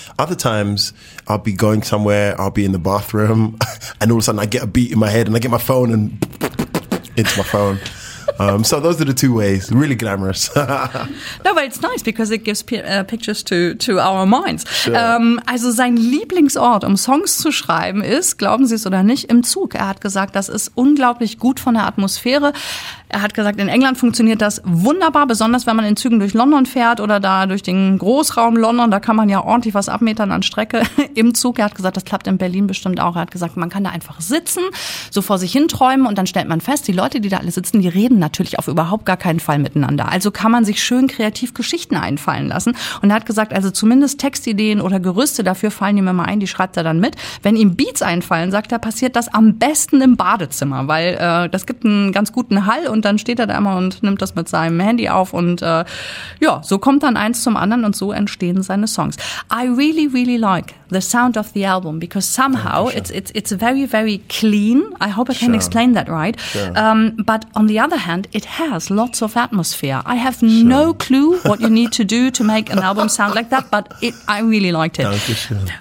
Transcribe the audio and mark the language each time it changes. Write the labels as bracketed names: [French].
[English] Other times, I'll be going somewhere, I'll be in the bathroom, and all of a sudden I get a beat in my head and I get my phone and into my phone. So those are the two ways. Really glamorous. No, but it's nice because it gives pictures to our minds. Sure. [German] Also sein Lieblingsort, um Songs zu schreiben, ist, glauben Sie es oder nicht, im Zug. Er hat gesagt, das ist unglaublich gut von der Atmosphäre. Er hat gesagt, in England funktioniert das wunderbar, besonders wenn man in Zügen durch London fährt oder da durch den Großraum London, da kann man ja ordentlich was abmetern an Strecke im Zug. Er hat gesagt, das klappt in Berlin bestimmt auch. Er hat gesagt, man kann da einfach sitzen, so vor sich hin träumen und dann stellt man fest, die Leute, die da alle sitzen, die reden natürlich auf überhaupt gar keinen Fall miteinander. Also kann man sich schön kreativ Geschichten einfallen lassen. Und er hat gesagt, also zumindest Textideen oder Gerüste dafür fallen ihm immer ein, die schreibt er dann mit. Wenn ihm Beats einfallen, sagt er, passiert das am besten im Badezimmer, weil das gibt einen ganz guten Hall und dann steht er da immer und nimmt das mit seinem Handy auf und ja, so kommt dann eins zum anderen und so entstehen seine Songs. [English] I really, really like the sound of the album because somehow it's very, very clean. I hope I can explain that right. Sure. But on the other hand, it has lots of atmosphere. I have no clue what you need to do to make an album sound like that, but I really liked it.